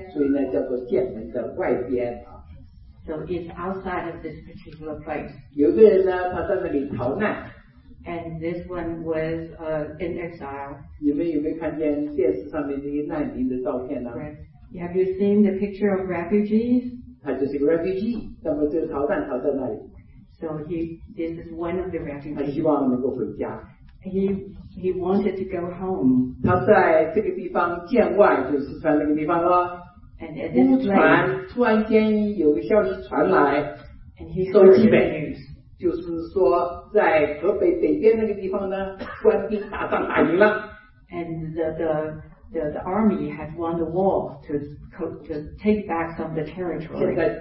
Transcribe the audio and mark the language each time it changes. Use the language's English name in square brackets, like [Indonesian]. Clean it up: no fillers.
[Chinese] 所以在剑门，这是四川的一个地方的南边，所以呢叫做剑门的外边。 [English] So it's outside of this particular place. [Chinese] 有个人呢，他在那里逃难。 [English] And this one was in exile. [Chinese] 你们有没有看见电视上面这些难民的照片呢？ [English] Right. Have you seen the picture of refugees? [Chinese] 他就是个 refugee， 那么这个逃难逃在那里。 [English] So this is one of the refugees. [Chinese] 他希望能够回家。 [English] He wanted to go home. [Chinese] 他在这个地方见外，就是四川那个地方了。 [English] And at this place, [Chinese] 突然间有个消息传来， [English] And he heard the news. [Chinese] 就是说在河北北边那个地方呢，官兵打仗打赢了。 [English] And the army had won the war to take back some of the territory.